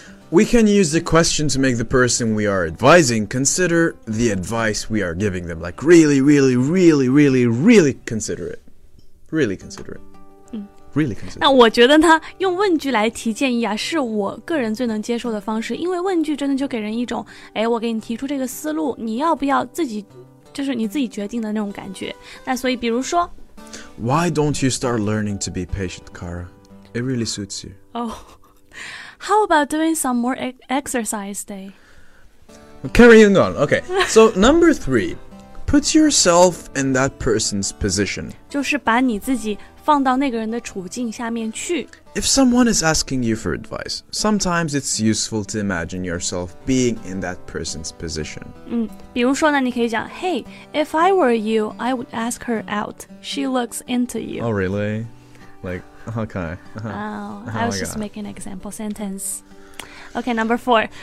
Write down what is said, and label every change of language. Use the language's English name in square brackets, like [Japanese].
[English] We can use the question to make the person we are advising consider the advice we are giving them. Like really, really, really, really, really consider it. Really consider it. Really、 [Chinese] 那我觉得呢用问句来提建议啊是我个人最能接受的方式因为问句真的就给人一种哎我给你提出这个思路你要不要自己就是你自己决定的那种感觉那所以比如说 [English] Why don't you start learning to be patient, Kara? It really suits you. Oh, how about doing some more exercise day? Carrying on, okay. So number three, put yourself in that person's position. [Chinese] 就是把你自己放到那个人的处境下面去。 [English] If someone is asking you for advice, sometimes it's useful to imagine yourself being in that person's position. [Chinese] 比如说呢，你可以讲 [English] Hey, if I were you, I would ask her out. She looks into you. Oh, really? Like, okay. Oh, I was just making an example sentence. Okay, number four.